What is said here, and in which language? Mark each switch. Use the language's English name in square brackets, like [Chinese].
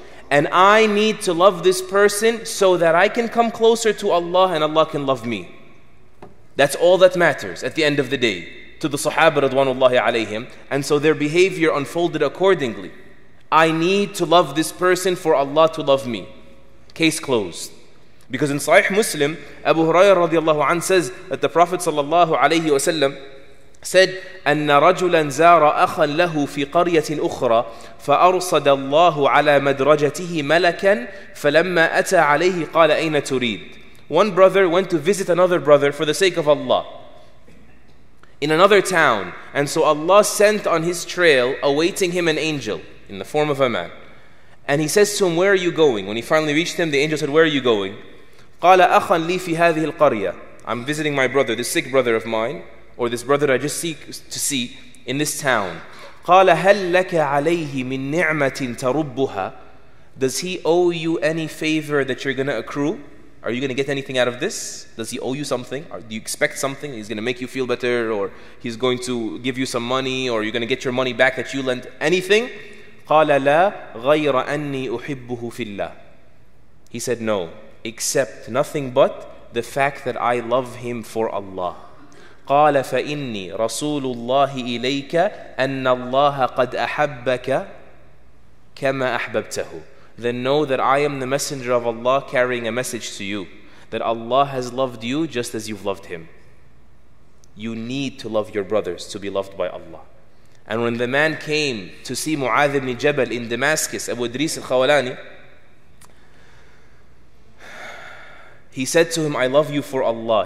[English] And I need to love this person so that I can come closer to Allah and Allah can love me. That's all that matters at the end of the day to the Sahaba radwanullahi alayhim. And so their behavior unfolded accordingly. I need to love this person for Allah to love me. Case closed. Because in Sahih Muslim, Abu Hurairah radiallahu anhu says that the Prophet sallallahu alayhi wa sallam said, [Arabic] أَنَّ رَجُلًا زَارَ أَخًا لَهُ فِي قَرْيَةٍ أُخْرَى فَأَرْصَدَ اللَّهُ عَلَى مَدْرَجَتِهِ مَلَكًا فَلَمَّا أَتَى عَلَيْهِ قَالَ أَيْنَ تُرِيدُ. [English] One brother went to visit another brother for the sake of Allah in another town. And so Allah sent on his trail, awaiting him, an angel in the form of a man. And he says to him, where are you going? When he finally reached him, the angel said, where are you going? [Arabic] قَالَ أَخًا لِي فِي هَذِهِ الْقَرْيَةِ. [English] I'm visiting my brother, this sick brother of mine, or this brother I just seek to see in this town. [Arabic] قَالَ هَلْ لَكَ عَلَيْهِ مِن نِعْمَةٍ تَرُبُّهَا. [English] Does he owe you any favor that you're going to accrue? Are you going to get anything out of this? Does he owe you something? Do you expect something? He's going to make you feel better, or he's going to give you some money, or you're going to get your money back that you lent, anything? [Arabic] قَالَ لَا غَيْرَ أَنِّي أُحِبُّهُ فِي اللَّهِ. [English] He said, no, except nothing but the fact that I love him for Allah. [Arabic] قال فإني رسول الله إليك أن الله قد أحبك كما أحببته. [English] Then know that I am the messenger of Allah carrying a message to you, that Allah has loved you just as you've loved him. You need to love your brothers to be loved by Allah. And when the man came to see Mu'adh ibn Jabal in Damascus, Abu Idris al-Khawlani, he said to him, I love you for Allah.